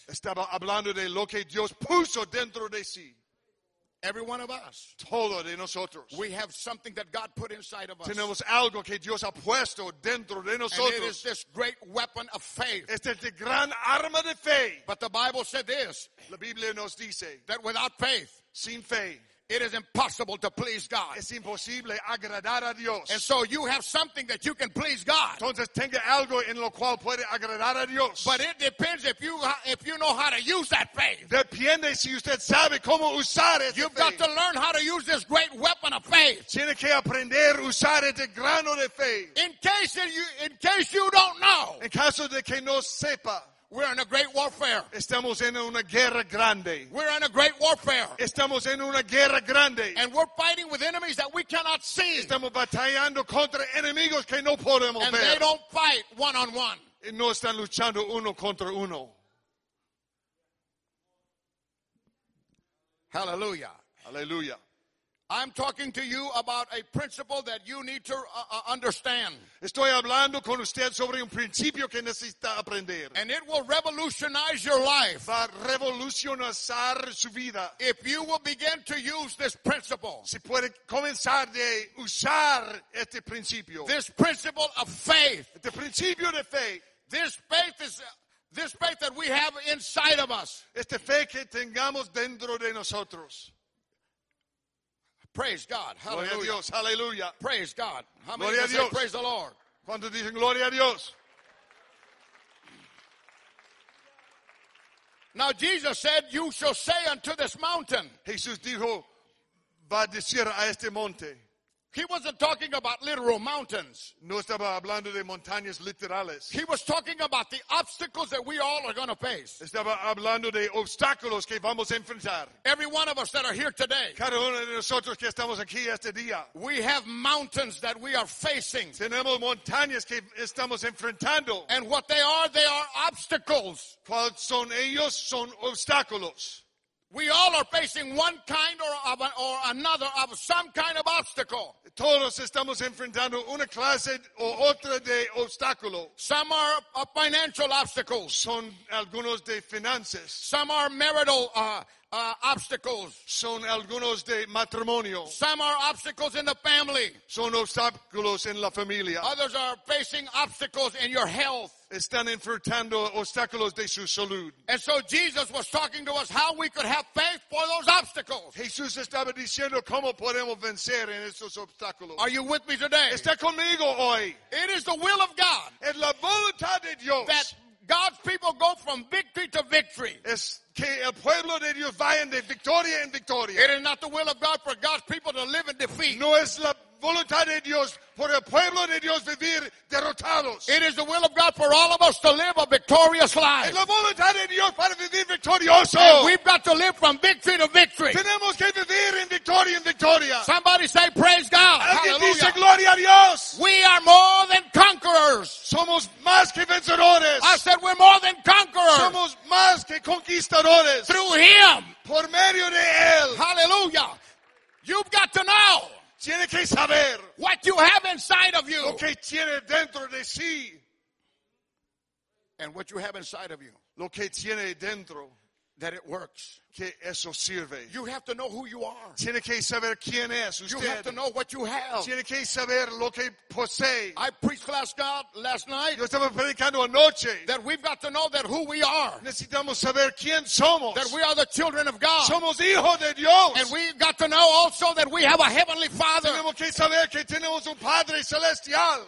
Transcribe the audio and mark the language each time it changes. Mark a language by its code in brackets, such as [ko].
[es] Estaba hablando de lo que Dios puso dentro de sí. [en] Every one of us. [es] Todo de nosotros. [en] We have something that God put inside of us. [es] Tenemos algo que Dios ha puesto dentro de nosotros. [en] And it is this great weapon of faith. [es] Este es el gran arma de fe. [en] But the Bible said this. [es] La Biblia nos dice. [en] That without faith. [es] Sin fe. [en] It is impossible to please God. [es] Es imposible agradar a Dios. [en] And so you have something that you can please God. [es] Entonces tenga algo en lo cual puede agradar a Dios. [en] But it depends if you know how to use that faith. [es] Depende si usted sabe cómo usar esa fe. [en] You've got to learn how to use this great weapon of faith. [es] Tiene que aprender usar este grano de fe. [en] In case you don't know. [es] En caso de que no sepa. [en] We're in a great warfare. [es] Estamos en una guerra grande. [en] We're in a great warfare. [es] Estamos en una guerra grande. [en] And we're fighting with enemies that we cannot see. [es] Estamos batallando contra enemigos que no podemos [en] and [es] ver. [en] And they don't fight one-on-one. [es] Y no están luchando uno contra uno. [en] Hallelujah. [es] Hallelujah. [en] I'm talking to you about a principle that you need to understand. [es] Estoy hablando con usted sobre un principio que necesita aprender. [en] And it will revolutionize your life. [es] Va a revolucionar su vida. [en] If you will begin to use this principle. [es] Si puede comenzar de usar este principio. [en] This principle of faith. [es] Este principio de fe. [en] This faith that we have inside of us. [es] Este fe que tengamos dentro de nosotros. [en] Praise God. Hallelujah. [es] Gloria a Dios. Hallelujah. [en] Praise God. How many [es] gloria [en] of you say praise the Lord? [es] ¿Cuántos dicen gloria a Dios? [en] Now Jesus said, you shall say unto this mountain. [es] Jesús dijo, va a decir a este monte. [en] He wasn't talking about literal mountains. [es] No estaba hablando de montañas literales. [en] He was talking about the obstacles that we all are going to face. [es] Estaba hablando de obstáculos que vamos a enfrentar. [en] Every one of us that are here today. [es] Cada uno de nosotros que estamos aquí este día. [en] We have mountains that we are facing. [es] Tenemos montañas que estamos enfrentando. [en] And what they are obstacles. [es] ¿Cuáles son ellos? Son obstáculos. [en] We all are facing one kind or another of some kind of obstacle. [es] Todos estamos enfrentando una clase o otra de obstáculo. [en] Some are financial obstacles. [es] Son algunos de finanzas. [en] Some are marital obstacles. [es] Son algunos de matrimonio. [en] Some are obstacles in the family. [es] Son obstáculos en la familia. [en] Others are facing obstacles in your health. [es] Están enfrentando obstáculos de su salud. [en] And so Jesus was talking to us how we could have faith for those obstacles. [es] Jesús estaba diciendo cómo podemos vencer en esos obstáculos. [en] Are you with me today? [es] Está conmigo hoy. [en] It is the will of God. [es] Es la voluntad de Dios. [en] That God's people go from victory to victory. [es] Es que el pueblo de Dios vaya de victoria en victoria. [en] It is not the will of God for God's people to live in defeat. [es] No es la voluntad de Dios por el pueblo de Dios vivir derrotados. [en] It is the will of God for all of us to live a victorious life. [es] Es la voluntad de Dios para vivir victorioso. [en] And we've got to live from victory to victory. [es] Tenemos que vivir en victoria en victoria. [en] Somebody say praise God. [es] Alguien [en] hallelujah. [es] Dice gloria a Dios. [en] We are more than conquerors. [es] Somos más que vencedores. [en] I said we're more than conquerors. [es] Somos más que conquistadores. [en] Through Him. [es] Por medio de Él. [en] Hallelujah. You've got to know. [es] Tiene que saber [en] what you have inside of you. [es] Lo que tiene dentro de sí. [en] And what you have inside of you. [es] Lo que tiene dentro. [en] That it works. [es] Que eso sirve. [en] You have to know who you are. [es] Tiene que saber quién es usted. [en] You have to know what you have. [es] Tiene que saber lo que posee. [en] I preached last night. [es] Yo estaba predicando anoche. [en] That we've got to know that who we are. [es] Necesitamos saber quién somos. [en] That we are the children of God. [es] Somos hijos de Dios. [en] And we've got to know also that we have a heavenly Father. [es] Tenemos que saber que tenemos un Padre celestial.